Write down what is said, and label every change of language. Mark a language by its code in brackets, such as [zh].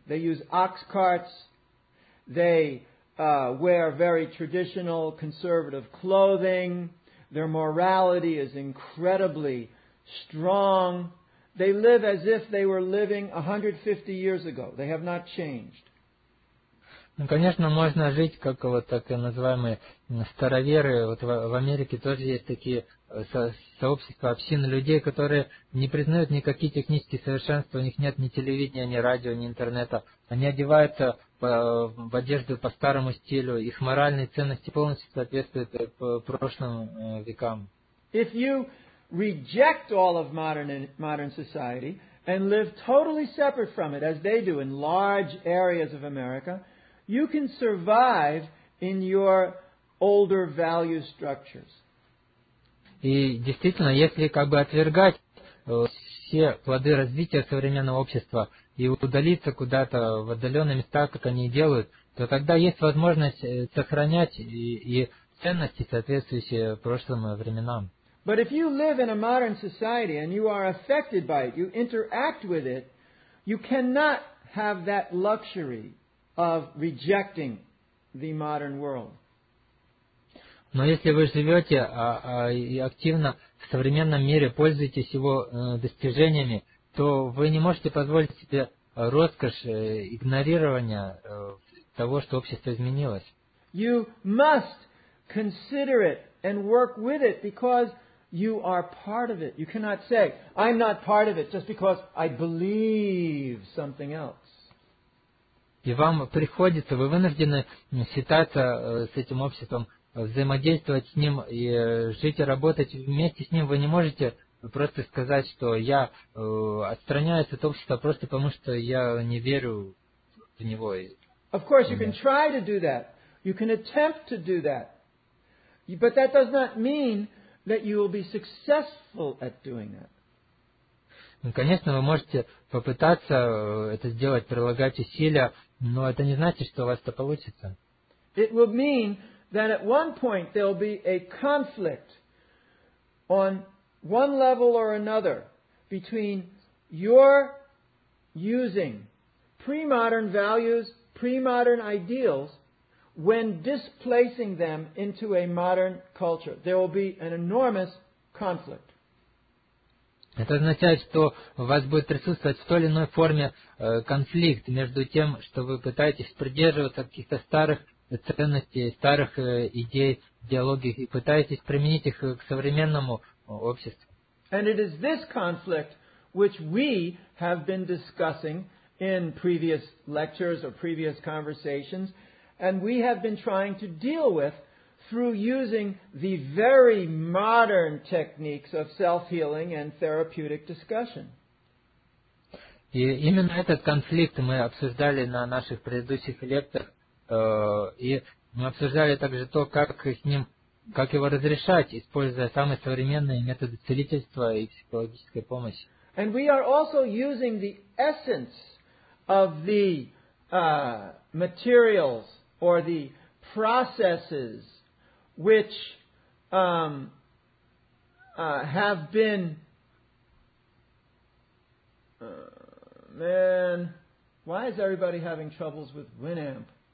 [en] They use ox carts, they wear very traditional conservative clothing, their morality is incredibly strong. They live as if they were living 150 years ago. They have not changed. [ru] Ну, конечно, можно жить, как вот так называемые староверы. Вот в Америке тоже есть такие сообщества, общины людей, которые не признают никакие технические совершенства, у них нет ни телевидения, ни радио, ни интернета. Они одеваются в одежду по старому стилю, их моральные ценности полностью соответствуют прошлым векам. [en] If you reject all of modern society and live totally separate from it, as they do in large areas of America, you can survive in your older value structures. [ru] И действительно, если как бы отвергать все плоды развития современного общества и удалиться куда-то в отдаленные места, как они делают, то тогда есть возможность сохранять и ценности, соответствующие прошлым временам. [en] But if you live in a modern society and you are affected by it, you interact with it, you cannot have that luxury of rejecting the modern world. [ru] Но если вы живете и активно в современном мире, пользуетесь его достижениями, то вы не можете позволить себе роскошь игнорирования того, что общество изменилось. [en] You must consider it and work with it because you are part of it. You cannot say, I'm not part of it just because I believe something else. [ru] И вам приходится, вы вынуждены считаться с этим обществом, взаимодействовать с ним и жить и работать вместе с ним. Вы не можете просто сказать, что я отстраняюсь от общества просто потому, что я не верю в него. [en] Of course, you can try to do that. You can attempt to do that. But that does not mean that you will be successful at doing that. [ru] Конечно, вы можете попытаться это сделать, прилагать усилия, но это не значит, что у вас это получится. [en] It will mean that at one point there will be a conflict on one level or another between your using pre-modern values, pre-modern ideals, when displacing them into a modern culture. There will be an enormous conflict. [ru] Это означает, что у вас будет присутствовать в той или иной форме конфликт между тем, что вы пытаетесь придерживаться каких-то старых ценностей, старых идей, идеологий, и пытаетесь применить их к современному обществу. [en] And it is this conflict which we have been discussing in previous lectures or previous conversations, and we have been trying to deal with through using the very modern techniques of self-healing and therapeutic discussion. [ru] И именно этот конфликт мы обсуждали на наших предыдущих лекциях, и мы обсуждали также то, как его разрешать, используя самые современные методы целительства и психологической помощи. [en] And we are also using the essence of the materials or the processes which have been man, why is everybody having troubles with Winamp?